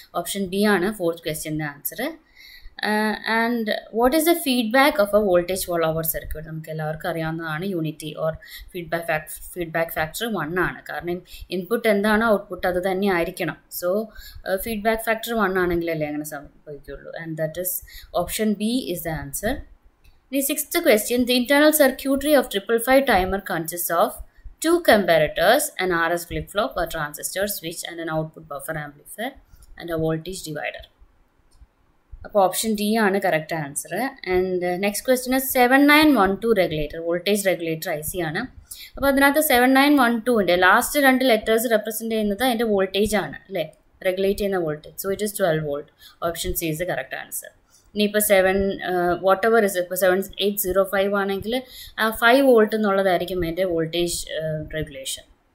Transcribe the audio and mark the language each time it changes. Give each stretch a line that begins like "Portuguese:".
Malayalam: Option B ആണ് fourth ക്വസ്റ്റ്യൻ്റെ answer.
English: And what is the feedback of a voltage follower circuit.
Malayalam: നമുക്ക് എല്ലാവർക്കും അറിയാവുന്നതാണ് unity or feedback factor 1 ആണ്. കാരണം ഇൻപുട്ട് എന്താണോ ഔട്ട്പുട്ട് അത് തന്നെ ആയിരിക്കണം. സോ ഫീഡ്ബാക്ക് ഫാക്ടർ 1 ആണെങ്കിലല്ലേ അങ്ങനെ സംഭവിക്കുകയുള്ളൂ.
English: And that is option B is the answer. The sixth question, the internal circuitry of 555 timer consist of two comparators, an RS flip-flop or transistor switch and an output buffer amplifier and a voltage divider.
Malayalam: അപ്പോൾ option D ആണ് correct answer.
English: and next question is 7912 regulator,
Malayalam: voltage regulator I C ആണ്. അപ്പോൾ അതിനകത്ത് 7912 last രണ്ട് letters represent ചെയ്യുന്നത് അതിൻ്റെ voltage ആണ് അല്ലേ, റെഗുലേറ്റ് ചെയ്യുന്ന voltage.
English: So it is 12 volt. Option C is the correct answer.
Malayalam: ഇനിയിപ്പോൾ 7805 ആണെങ്കിൽ 5 വോൾട്ട് എന്നുള്ളതായിരിക്കും എൻ്റെ വോൾട്ടേജ് റെഗുലേഷൻ.